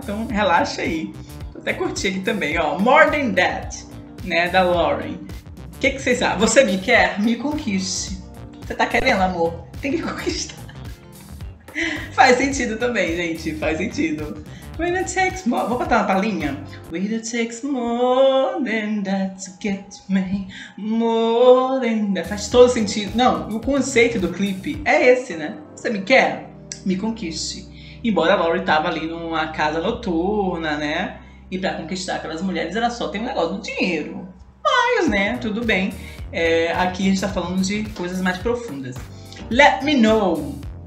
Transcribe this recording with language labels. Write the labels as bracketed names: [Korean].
[Portuguese] Então relaxa aí. Vou até curtir aqui também, ó. More Than That, né, da Lauren. Que vocês acham? Você me quer? Me conquiste. Você tá querendo, amor? Tem que conquistar. Faz sentido também, gente, faz sentido. [English] When it takes more, [Portuguese] vou botar uma palinha. [English] When it takes more than that to get me, more than that. [Portuguese] Faz todo sentido. Não, o conceito do clipe é esse, né? Você me quer? Me conquiste. Embora a Lauren tava ali numa casa noturna, né? E pra conquistar aquelas mulheres, ela só tem um negócio do dinheiro. Mas, né, tudo bem. É, aqui a gente tá falando de coisas mais profundas. [English] Let me know.